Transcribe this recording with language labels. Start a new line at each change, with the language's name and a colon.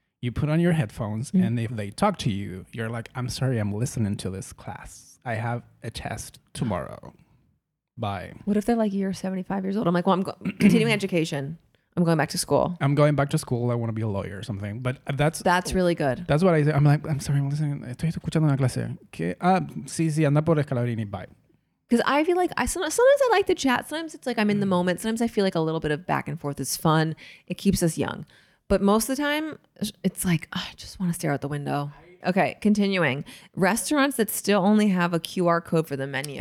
English: You put on your headphones and if they talk to you, you're like, I'm sorry, I'm listening to this class. I have a test tomorrow. Bye. What if they're like, you're 75 years old? I'm like, well, I'm continuing education. I'm going back to school. I want to be a lawyer or something. But that's really good. That's what I say. I'm like, I'm sorry, I'm listening.
Spanish: Estoy escuchando una clase. ¿Qué? Sí, anda por Escalabrini.
English: Bye. Because I feel like sometimes I like to chat. Sometimes it's like I'm in the moment. Sometimes I feel like a little bit of back and forth is fun. It keeps us young. But most of the time, it's like, I just want to stare out the window. Okay, continuing. Restaurants that still only have a QR code for the menu.